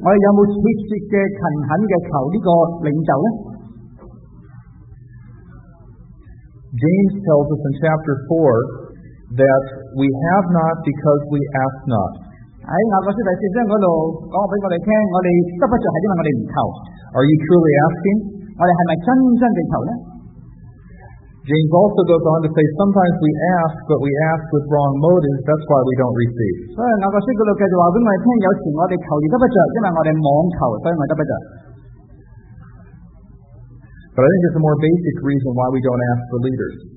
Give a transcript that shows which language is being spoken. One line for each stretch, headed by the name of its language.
Cantonese: 我有冇切切嘅勤恳嘅求呢个领袖咧
English: ？James tells us in chapter 4 that we have not because we ask not.
Cantonese: 喺雅各书第四章嗰度讲俾我哋听，我哋得不着系因为我哋唔求。
English: Are you truly asking?
Cantonese: 我哋系咪真正地求咧
English: James also goes on to say, sometimes we ask, but we ask with wrong motives, that's why we don't receive. But I think there's a more basic reason why we don't ask for leaders.